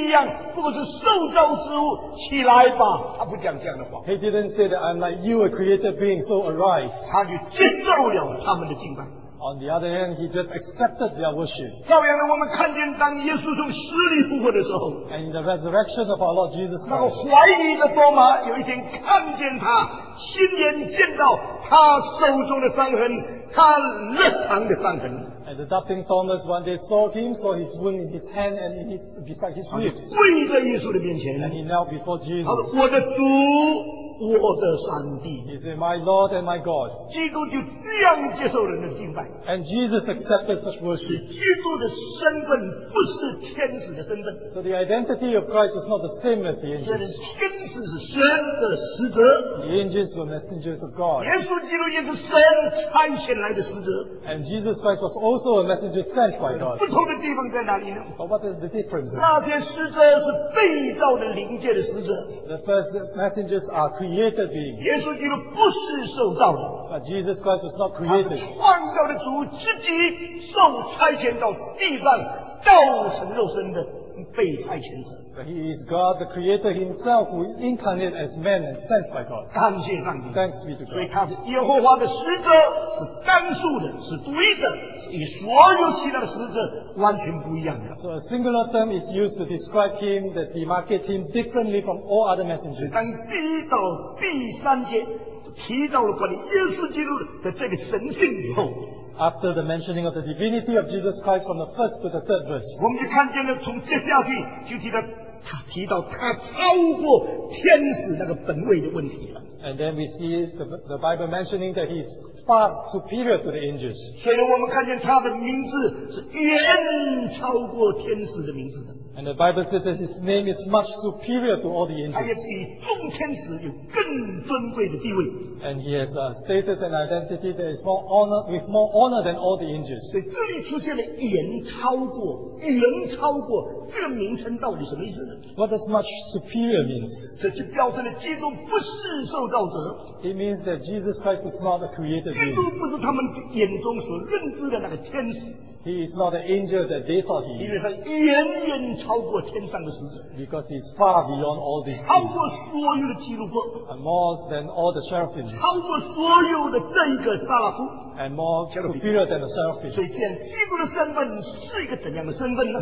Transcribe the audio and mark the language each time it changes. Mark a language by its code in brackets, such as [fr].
[en] He didn't say that I'm like you, a created being, so arise. On the other hand, he just accepted their worship. And in the resurrection of our Lord Jesus Christ, [zh] 那怀疑的多玛有一天看见他亲眼见到他手中的伤痕，他肋旁的伤痕。 [en] And the doubting Thomas, when they saw him, saw his wound in his hand and in his, beside his ribs. [zh] 跪在耶稣的面前。 [en] And he knelt before Jesus. [zh] 他说：“我的主，我的上帝。” [en] He said, "My Lord and my God." [zh] 基督就这样接受人的敬拜。 [en] And Jesus accepted such worship. [zh] 基督的身份不是天使的身份。 [en] So the identity of Christ is not the same as the angels. [zh] 天使是神的使者。 [en] The angels were messengers of God. [zh] 耶稣基督也是神差遣来的使者。 [en] And Jesus Christ was also a messenger sent by God. [zh] 不同的地方在哪里呢？ [en] But what is the difference? [zh] 那些使者是被造的灵界的使者。 [en] The first messengers are created beings. [zh] 耶稣基督不是受造的。 [en] But Jesus Christ was not created. [zh] 他是创造的主自己受差遣到地上，道成肉身的被差遣者。 [en] But he is God, the creator himself, who incarnate as man and sent by God. [zh] 感谢上帝。 [en] Thanks be to God. [zh] 所以他是耶和华的使者，是单数的，是独一的，是与所有其他的使者完全不一样的。 [en] So a singular term is used to describe him, that demarcates him differently from all other messengers. [zh] 当第一到第三节提到了关于耶稣基督的这个神性以后， [en] After the mentioning of the divinity of Jesus Christ from the first to the third verse, [zh] 我们就看见了，从接下去就提到他超过天使那个本位的问题了。 [en] And then we see the Bible mentioning that he's far superior to the angels. [zh] 所以我们看见他的名字是远超过天使的名字的。 [en] And the Bible says that his name is much superior to all the angels. [zh] 他也是比众天使有更尊贵的地位。 [en] And he has a status and identity that is more honor, with more honor than all the angels. [zh] 所以这里出现了远超过，远超过这个名称到底什么意思呢？ [en] What does much superior means? [zh] 这就表示了基督不是受造者。 [en] It means that Jesus Christ is not a created being. [zh] 基督不是他们眼中所认知的那个天使。 [en] He is not an angel that they thought he is. [zh] 因为他远远超过天上的使者。 [en] Because he is far beyond all these. [zh] 超过所有的基督徒。 [en] And more than all the seraphim. [zh] 超过所有的这一个撒拉夫。 [en] And more superior than the seraphim. [zh] 所以现在基督的身份是一个怎样的身份呢？